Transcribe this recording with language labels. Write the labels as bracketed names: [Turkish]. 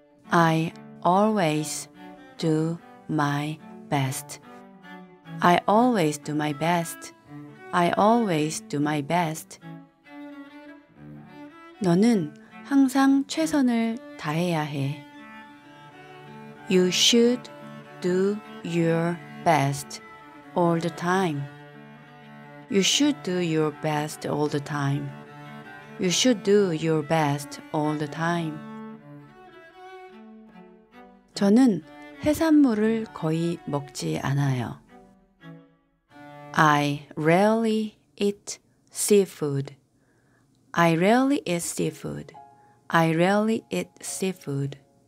[English] I always do my best. I always do my best. I always do my best. [Korean] 너는 항상 최선을 다해야 해. [English] You should do your best all the time. You should do your best all the time. You should do your best all the time. [Korean] 저는 해산물을 거의 먹지 않아요. [English] I rarely eat seafood. I rarely eat seafood. I rarely eat seafood.